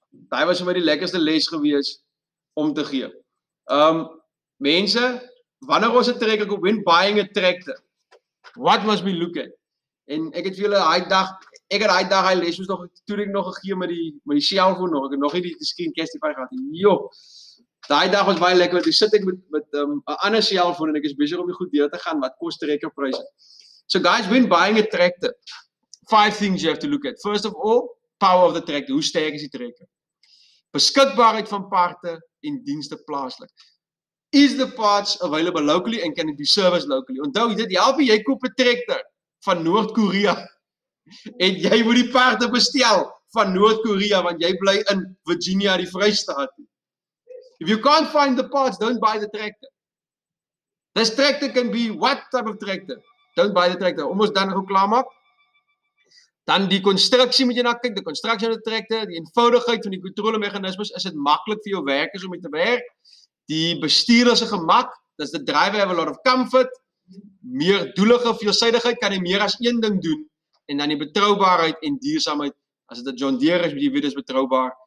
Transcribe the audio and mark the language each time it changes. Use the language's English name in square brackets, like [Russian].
[Afrikaans] Daai was my die lekkerste les gewees om te gee. Mense, wanneer ons 'n trekker koop, [English] when buying a tractor, what must we look at? [Afrikaans] En ek het vir julle daai les moes nog toe ek nog gegee met die selfoon nog. Ek het nog nie die screencastify gehad. Jo. Daai dag was baie lekker, want ek sit ek met 'n ander selfoon en ek is besig om die goed deur te gaan wat kos trekker pryse. [English] So guys, when buying a tractor, 5 things you have to look at. First of all, power of the tractor. [Afrikaans] Hoe sterk is die trekker? Beskikbaarheid van parte en dienste plaaslik. [English] Is the parts available locally and can it be serviced locally? [Afrikaans] Onthou dit, help jy koop 'n tractor van Noord-Korea en jy moet die parte bestel van Noord-Korea want jy bly in Virginia, die Vrystaat. [English] If you can't find the parts, don't buy the tractor. This tractor can be what type of tractor? Don't buy the tractor. [Afrikaans] Om ons dan nog klaar maak. Dan die konstruksie moet jy na kyk. Die konstruksie van die tractor, die eenvoudigheid van die kontrolemeganismes, is dit maklik vir jou werkers om mee te werk? Die bestuur is 'n gemak. [English] Does the driver have a lot of comfort? [Afrikaans] Meer doelige veelzijdigheid, kan hy meer as een ding doen. En dan die betroubaarheid en duursaamheid. As dit 'n John Deere is, moet jy weet is betroubaar.